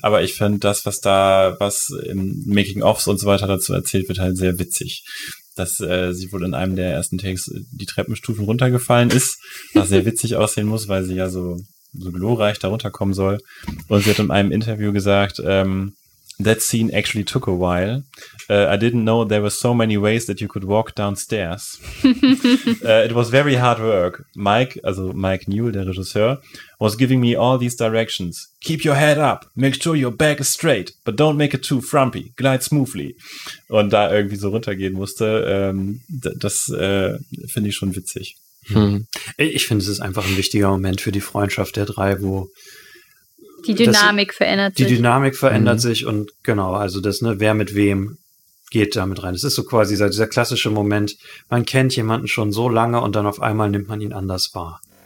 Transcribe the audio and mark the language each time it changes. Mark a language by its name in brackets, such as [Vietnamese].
[German] Aber ich fand das, was im Making-ofs und so weiter dazu erzählt wird, halt sehr witzig. Dass sie wohl in einem der ersten Takes die Treppenstufen runtergefallen ist, was sehr witzig aussehen muss, weil sie ja so so glorreich darunter kommen soll. Und sie hat in einem Interview gesagt, [English] that scene actually took a while. I didn't know there were so many ways that you could walk downstairs. it was very hard work. Mike Newell, [German] der Regisseur, [English] was giving me all these directions. Keep your head up. Make sure your back is straight. But don't make it too frumpy. Glide smoothly. [German] Und da irgendwie so runtergehen musste, das finde ich schon witzig. Hm. Ich finde, es ist einfach ein wichtiger Moment für die Freundschaft der drei, wo die Dynamik verändert sich. Die Dynamik verändert sich und genau, also das, ne, wer mit wem geht damit rein. Es ist so quasi dieser klassische Moment, man kennt jemanden schon so lange und dann auf einmal nimmt man ihn anders wahr.